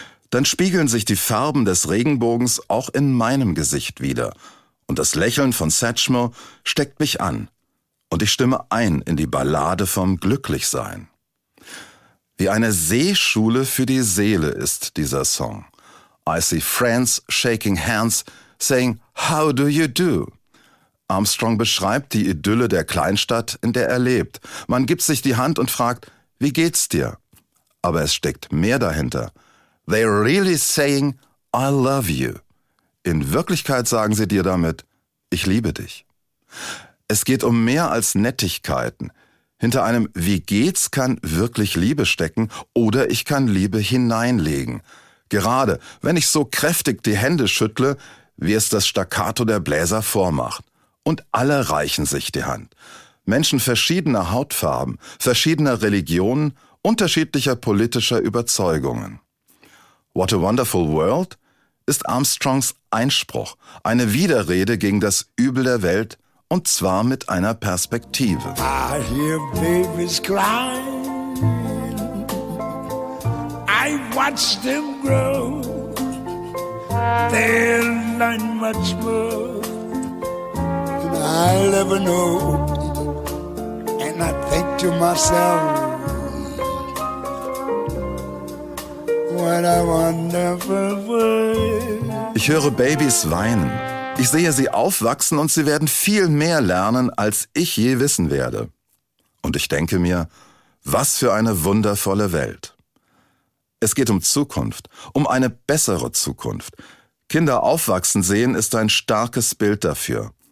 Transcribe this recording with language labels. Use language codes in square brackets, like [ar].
[de] Dann spiegeln sich die Farben des Regenbogens auch in meinem Gesicht wieder und das Lächeln von Satchmo steckt mich an und ich stimme ein in die Ballade vom Glücklichsein. Wie eine Seeschule für die Seele ist dieser Song. [en] I see friends shaking hands, saying, how do you do? [de] Armstrong beschreibt die Idylle der Kleinstadt, in der er lebt. Man gibt sich die Hand und fragt, wie geht's dir? Aber es steckt mehr dahinter. [en] They're really saying, I love you. [de] In Wirklichkeit sagen sie dir damit, ich liebe dich. Es geht um mehr als Nettigkeiten. Hinter einem Wie geht's kann wirklich Liebe stecken oder ich kann Liebe hineinlegen. Gerade wenn ich so kräftig die Hände schüttle, wie es das Staccato der Bläser vormacht. Und alle reichen sich die Hand. Menschen verschiedener Hautfarben, verschiedener Religionen, unterschiedlicher politischer Überzeugungen. What a Wonderful World ist Armstrongs Einspruch, eine Widerrede gegen das Übel der Welt, und zwar mit einer Perspektive. [en] I hear babies crying, I watch them grow, they'll learn much more than I'll ever know. And I think to myself, what a wonderful world. [de] Ich höre Babys weinen. Ich sehe sie aufwachsen und sie werden viel mehr lernen, als ich je wissen werde. Und ich denke mir, was für eine wundervolle Welt. Es geht um Zukunft, um eine bessere Zukunft. Kinder aufwachsen sehen ist ein starkes Bild dafür.